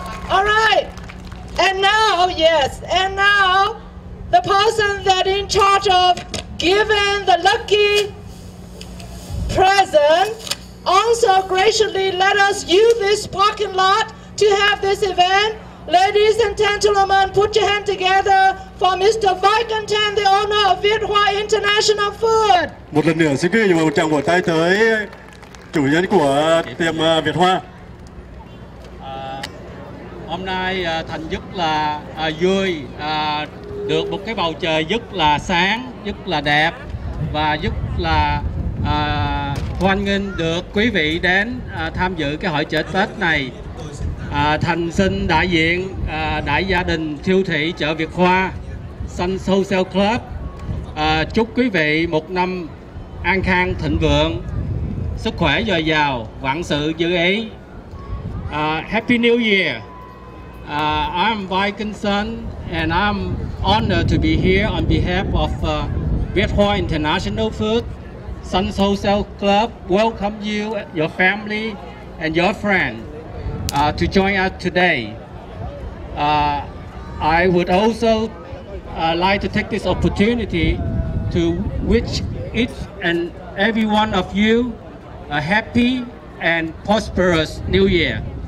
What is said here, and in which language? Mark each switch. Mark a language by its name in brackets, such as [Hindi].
[English] All right, and now, yes, and now, the person that in charge of giving the lucky present also graciously let us use this parking lot to have this event. Ladies and gentlemen, put your hand together for Mr. Viken Tan, the owner of Viet Hoa International Food. [Vietnamese] Một lần nữa, xin kính mời một tràng vỗ tay tới chủ nhân của tiệm Viet Hoa. Hôm nay thành rất là vui, được một cái bầu trời rất là sáng, rất là đẹp và rất là hoan nghênh được quý vị đến tham dự cái hội chợ Tết này. Thành xin đại diện đại gia đình siêu thị chợ Viet Hoa, Sun Social Club, chúc quý vị một năm an khang thịnh vượng, sức khỏe dồi dào, vạn sự như ý. [English] Happy New Year! I'm Viken Tan and I'm honored to be here on behalf of Viet Hoa International Food, Sun Social Club. Welcome you, your family and your friends. to join us today. I would also like to take this opportunity to wish each and every one of you a happy and prosperous New Year.